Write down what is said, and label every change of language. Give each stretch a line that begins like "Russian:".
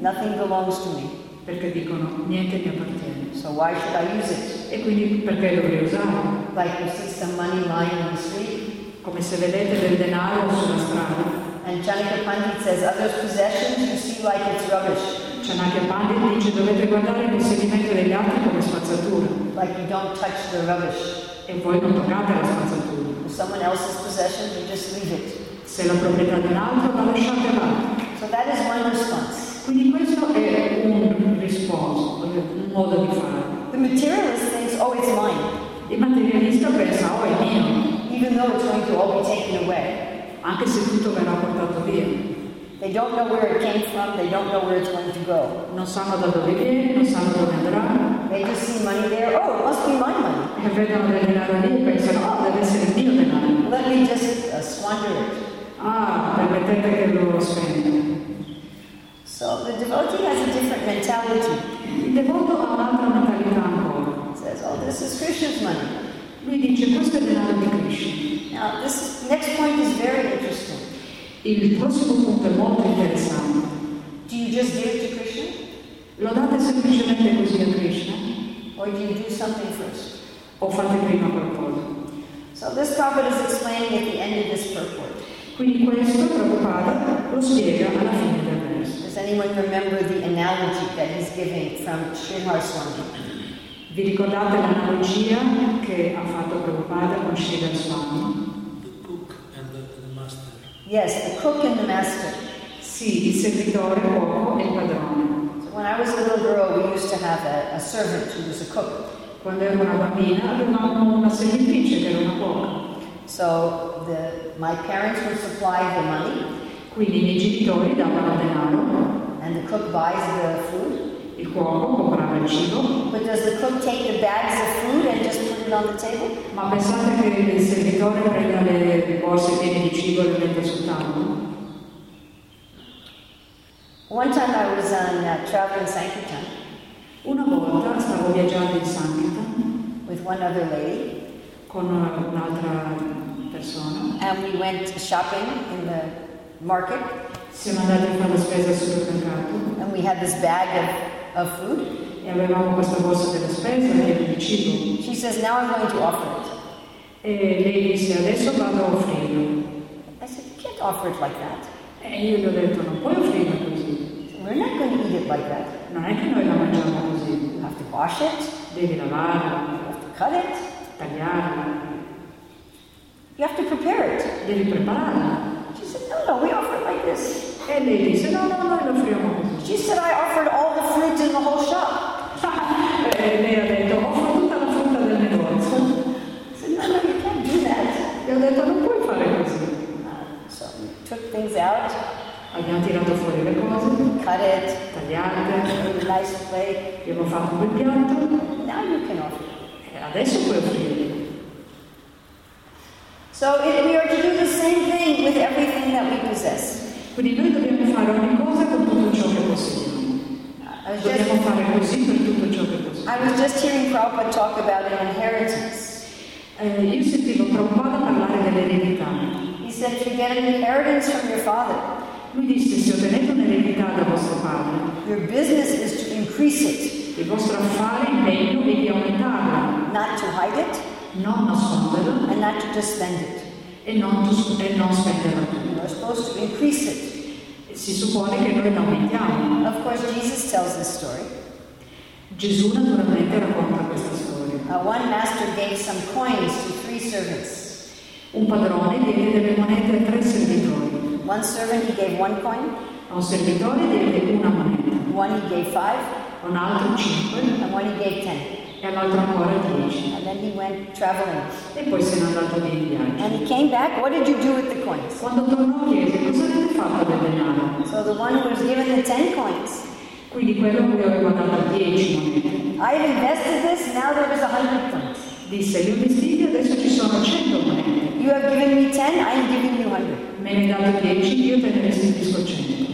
English: Nothing belongs to me.
Italian: Perché dicono, niente mi appartiene.
English: So why should I use it?
Italian: E quindi perché dovrei usarlo?
English: Like you see some money lying on the street.
Italian: Come se vedete del denaro sulla strada.
English: And Chanakya Pandit says, other possessions you see like it's rubbish.
Italian: Chanakya Pandit dice, dovete guardare il possedimento degli altri come spazzatura.
English: Like you don't touch the rubbish.
Italian: E voi non toccate la spazzatura.
English: With someone else's possession, you just leave it.
Italian: Se la proprietà di un altro, la lasciate là.
English: So that is one response.
Italian: Quindi questo è un risposto, un modo di fare.
English: The materialist thinks, oh, it's mine.
Italian: Il materialista pensa, oh, è mio.
English: Even though it's going to all be taken away.
Italian: Anche se tutto verrà portato via.
English: They don't know where it came from, they don't know where it's going to go.
Italian: Non sanno da dove viene, non sanno dove andrà.
English: They just see money there, oh, it must be my money.
Italian: E vedono del denaro lì, pensano, oh, deve essere il mio denaro.
English: Let me just squander it.
Italian: Ah, permettete che lo spenda.
English: So the devotee has a different mentality.
Italian: Il devoto ha un'altra mentalità ancora.
English: He says, oh, this is Krishna's money.
Italian: Lui dice, questo è denaro di Krishna.
English: Now, this next point is very interesting.
Italian: Il prossimo punto è molto interessante.
English: Do you just give to Krishna?
Italian: Lo date semplicemente così a Krishna?
English: Or do you do something first?
Italian: O fate prima qualcosa?
English: So this Prabhupada is explaining at the end of this purport.
Italian: Quindi questo Prabhupada lo spiega alla fine del verso.
English: Does anyone remember the analogy that he's giving from Srimad Swami?
Italian: Vi ricordate l'analogia che ha fatto Prabhupada con Srimad Swami?
English: The cook and the master. Yes, the cook and the master.
Italian: Sì, il servitore, il cuoco e il padrone.
English: So when I was a little girl, we used to have a servant who was a cook.
Italian: Quando ero una bambina, avevamo una servitrice che era una cuoca.
English: So my parents would supply the money.
Italian: Quindi i miei genitori davano denaro.
English: And the cook buys the food.
Italian: Il cuoco comprava il cibo.
English: But does the cook take the bags of food and just put it on the table?
Italian: Ma pensate che il servitore prenda le borse piene di cibo e le mette sul tavolo?
English: One time I was on traveling in Sankirtan.
Italian: Una volta stavo viaggiando in Sankirtan.
English: With one other lady.
Italian: Con un'altra persona.
English: And we went shopping in the market.
Italian: Siamo andati a fare la spesa al supermercato.
English: And we had this bag of food.
Italian: E avevamo questa borsa della spesa e di cibo.
English: She says, now I'm going to offer it.
Italian: E lei disse, adesso vado a offrirlo.
English: I said, you can't offer it like that.
Italian: E io gli ho detto, non puoi offrirlo così.
English: We're not going to eat it like that.
Italian: Non è che noi la mangiamo così.
English: You have to wash it.
Italian: Devi lavarlo.
English: You have to cut it.
Italian: Tagliarla.
English: You have to prepare it.
Italian: Devi prepararla.
English: She said, no, no, we offer it like this.
Italian: E lei disse, no, no, noi lo offriamo così.
English: She said, I offered all the fruits in the whole shop.
Italian: E lei ha detto, offro tutta la frutta del negozio.
English: I said, no, no, you can't do that.
Italian: E ho detto, non puoi fare così.
English: So we took things out.
Italian: Abbiamo tirato fuori le cose.
English: Cut it.
Italian: Tagliate.
English: Nice plate.
Italian: Abbiamo fatto un bel piatto.
English: Now you can offer.
Italian: Adesso puoi offrire.
English: So we are to do the same thing with everything that we possess.
Italian: Quindi noi dobbiamo fare ogni cosa con tutto ciò che possediamo. Dobbiamo fare così con tutto ciò che possiamo.
English: I was just hearing Prabhupada talk about an inheritance.
Italian: Io sentivo Prabhupada parlare dell'eredità.
English: He said, if you get an inheritance from your father.
Italian: Lui disse, se ottenete un'eredità da vostro padre.
English: Your business is to increase it.
Italian: Il vostro affare è meglio di aumentarlo.
English: Not to hide it.
Italian: Non nasconderlo.
English: And not to just spend it.
Italian: E non spenderlo.
English: You're supposed to increase it.
Italian: Si suppone che noi lo aumentiamo.
English: Of course, Jesus tells this story.
Italian: Gesù naturalmente racconta questa storia.
English: One master gave some coins to three servants.
Italian: Un padrone diede delle monete a tre servitori.
English: One servant he gave one coin.
Italian: A un servitore diede una moneta.
English: One he gave five.
Italian: Un altro cinque.
English: And one he gave ten.
Italian: E un altro ancora dieci.
English: And then he went traveling.
Italian: E poi se n'è andato via in viaggio.
English: And he came back. What did you do with the coins?
Italian: Quando tornò chiese cosa avete fatto del denaro.
English: So the one who was given the ten coins.
Italian: Quindi quello che aveva dato dieci monete.
English: I've invested this. Now there is 100 coins.
Italian: Disse, io investito, adesso ci sono 100 monete.
English: You have given me 10, I am giving you 100.
Italian: Me ne dato 10, io te ne restituisco 100.